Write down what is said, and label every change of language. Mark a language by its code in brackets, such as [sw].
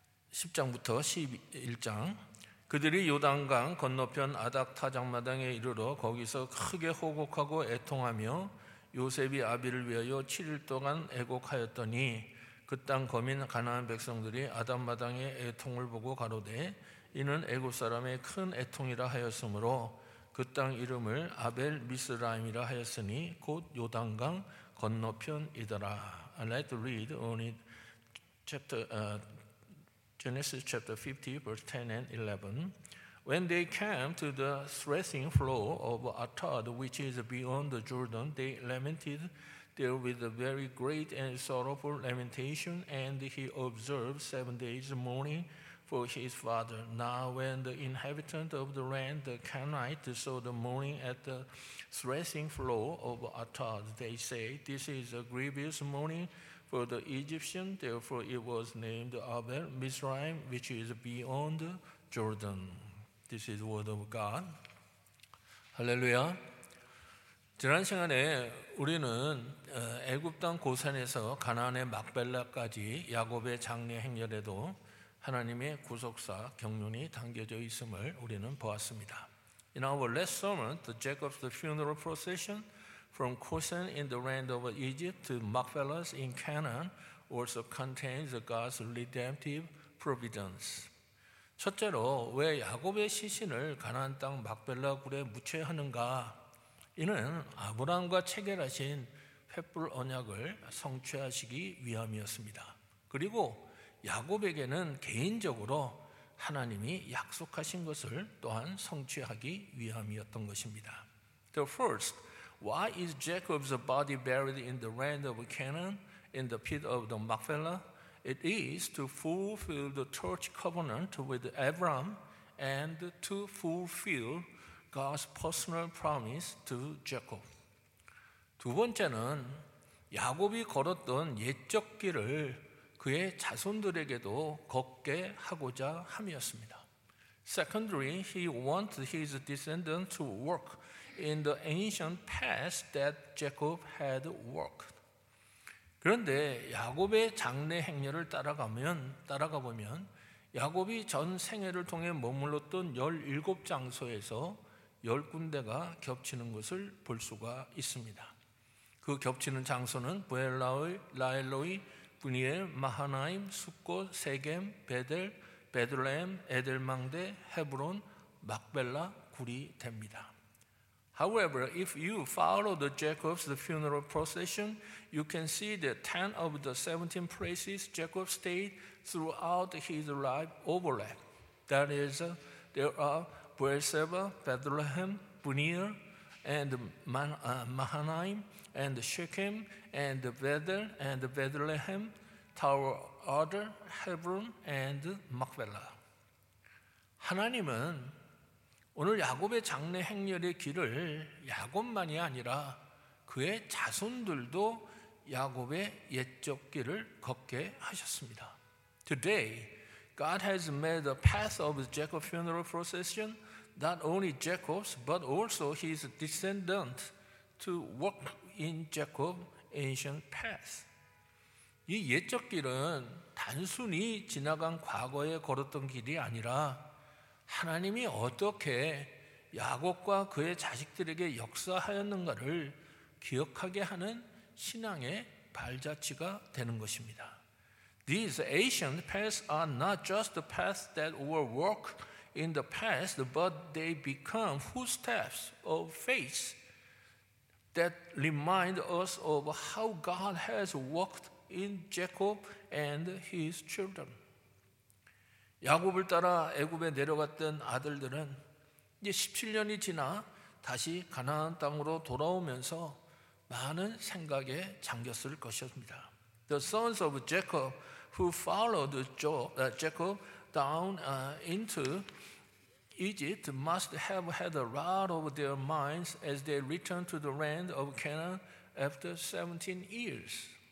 [ko] 10장부터 11장, 그들이 요단강 건너편 아닥타작마당에 이르러 거기서 크게 호곡하고 애통하며 요셉이 아비를 위하여 7일 동안 애곡하였더니 그 땅 거민 가나안 백성들이 아닥마당의 애통을 보고 가로되 이는 애굽 사람의 큰 애통이라 하였으므로 그 땅 이름을 아벨 미스라임이라 하였으니 곧 요단강 건너편이더라. [en] I like to read only chapter Genesis chapter 50 verse 10 and 11. When they came to the threshing floor of Atad, which is beyond the Jordan, they lamented there with a very great and sorrowful lamentation, and he observed 7 days mourning for his father. Now when the inhabitant of the land, the Canaanite, saw the mourning at the threshing floor of Atad, they say, this is a grievous mourning for the Egyptian, therefore it was named Abel Mizraim, which is beyond Jordan. This is the word of God. Hallelujah. [ko] 지난 시간에 우리는 애굽 땅 고산에서 가나안의 막벨라까지 야곱의 장례 행렬에도 하나님의 구속사 경륜이 담겨져 있음을 우리는 보았습니다. [en] In our last sermon, the Jacob's funeral procession from Goshen in the land of Egypt to Machpelah in Canaan also contains God's redemptive providence. [ko] 첫째로 왜 야곱의 시신을 가나안 땅 막벨라 굴에 묻혀야 하는가? 이는 아브라함과 체결하신 횃불 언약을 성취하시기 위함이었습니다. 그리고 야곱에게는 개인적으로 하나님이 약속하신 것을 또한 성취하기 위함이었던 것입니다. [en] The first, why is Jacob's body buried in the land of Canaan in the pit of the Machpelah? It is to fulfill the church covenant with Abraham and to fulfill God's personal promise to Jacob. [ko] 두 번째는 야곱이 걸었던 옛적 길을 그의 자손들에게도 걷게 하고자 함이었습니다. [en] Secondly, he wanted his descendants to walk in the ancient path that Jacob had walked. [ko] 그런데 야곱의 장래 행렬을 따라가 보면 야곱이 전 생애를 통해 머물렀던 17장소에서 10군데가 겹치는 것을 볼 수가 있습니다. 그 겹치는 장소는 부엘라의 라엘로이 부니엘, 마하나임, 숫꽃, 세겜, 베델, 베들레헴, 에델망대, 헤브론, 막벨라 굴이 됩니다. [en] However, if you follow the Jacob's funeral procession, you can see that 10 of the 17 places Jacob stayed throughout his life overlap. That is, there are Beersheba, Bethlehem, Buniel, and Mahanaim, and Shechem, and Bethel, and Bethlehem, Tower Adar, Hebron, and Machpelah. [ko] 하나님은 오늘 야곱의 장래 행렬의 길을 야곱만이 아니라 그의 자손들도 야곱의 옛적 길을 걷게 하셨습니다. [en] Today, God has made the path of Jacob's funeral procession not only Jacob's, but also his descendant to walk in Jacob's ancient path. [ko] 이 옛적 길은 단순히 지나간 과거에 걸었던 길이 아니라 하나님이 어떻게 야곱과 그의 자식들에게 역사하였는가를 기억하게 하는 신앙의 발자취가 되는 것입니다. [en] These ancient paths are not just the paths that were walked in the past, but they become footsteps of faith that remind us of how God has walked in Jacob and his children. [ko] 야곱을 따라 애굽에 내려갔던 아들들은 이제 17년이 지나 다시 가나안 땅으로 돌아오면서 많은 생각에 잠겼을 것이었습니다. [en] The sons of Jacob who followed Jacob down into Egypt must have had a lot of their minds as they returned to the land of Canaan after 17 years.